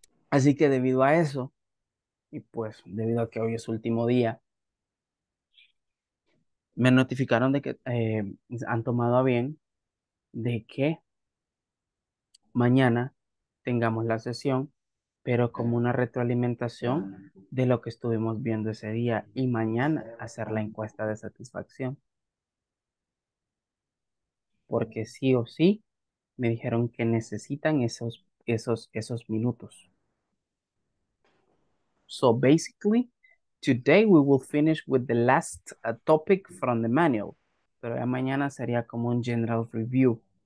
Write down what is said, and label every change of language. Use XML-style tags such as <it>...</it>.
<es>Así que debido a eso, y pues debido a que hoy es último día, me notificaron de que han tomado a bien de que mañana tengamos la sesión, pero como una retroalimentación de lo que estuvimos viendo ese día, y mañana hacer la encuesta de satisfacción. Porque sí o sí, me dijeron que necesitan esos minutos.</es> <en>So basically, today we will finish with the last topic from the manual.</en> <es>Pero ya mañana sería como un</es> <en>general review.</en>